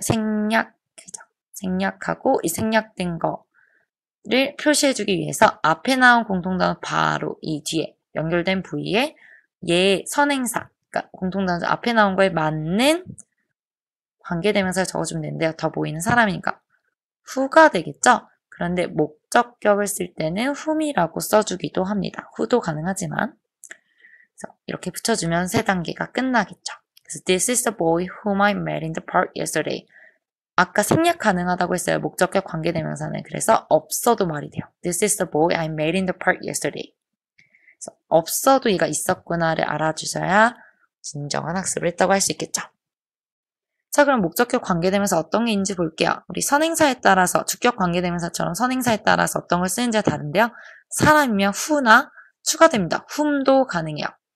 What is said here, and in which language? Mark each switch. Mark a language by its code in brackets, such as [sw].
[ko] 생략, 그죠? 생략하고, 이 생략된 거를 표시해주기 위해서 앞에 나온 공통 단어 바로 이 뒤에, 연결된 부위에 얘 선행사, 그러니까 공통 단어 앞에 나온 거에 맞는 관계대명사를 적어주면 되는데요. 더 보이는 사람이니까. 후가 되겠죠? 그런데 목적격을 쓸 때는 whom이라고 써주기도 합니다. who도 가능하지만. 이렇게 붙여주면 세 단계가 끝나겠죠. [en] 그래서 This is the boy whom I met in the park yesterday. [ko] 아까 생략 가능하다고 했어요. 목적격 관계대명사는. 그래서 없어도 말이 돼요. [en] This is the boy I met in the park yesterday. [ko] 그래서 없어도 얘가 있었구나를 알아주셔야 진정한 학습을 했다고 할수 있겠죠. 자, 그럼 목적격 관계대명사 어떤 게 있는지 볼게요. 우리 선행사에 따라서, 주격 관계대명사처럼 선행사에 따라서 어떤 걸 쓰는지가 다른데요. 사람이면 who나 추가됩니다. whom도 가능해요.